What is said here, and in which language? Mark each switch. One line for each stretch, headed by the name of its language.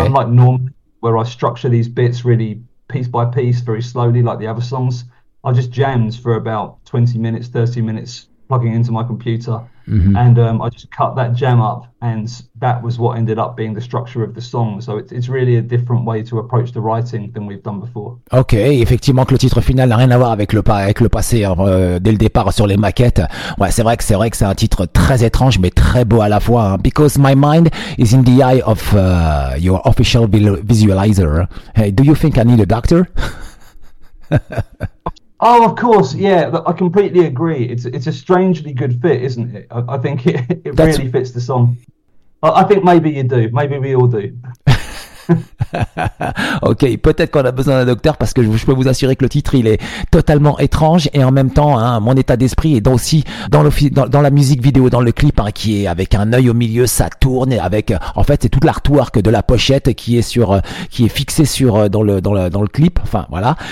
English: unlike normally, where I structure these bits really piece by piece, very slowly, like the other songs, I just jammed for about 20 minutes, 30 minutes, plugging into my computer. Mm-hmm. And I just cut that jam up, and that was what ended up being the structure of the song. So it's really a different way to approach the writing than we've done before.
French: Okay, effectivement, que le titre final n'a rien à voir avec le passé dès le départ sur les maquettes. Ouais, c'est vrai que c'est un titre très étrange, mais très beau à la fois. Hein.
English: Because my mind is in the eye of your official visualizer. Hey, do you think I need a doctor? Oh, of course, yeah, I completely agree. It's a strangely good fit, isn't it? I think it That's... really fits the song. I think maybe you do, maybe we all do.
French: Ok, peut-être qu'on a besoin d'un docteur parce que je peux vous assurer que le titre il est totalement étrange et en même temps hein, mon état d'esprit est aussi dans la musique vidéo, dans le clip hein, qui est avec un œil au milieu, ça tourne et avec en fait c'est toute l'artwork de la pochette qui est fixée dans le clip. Enfin voilà.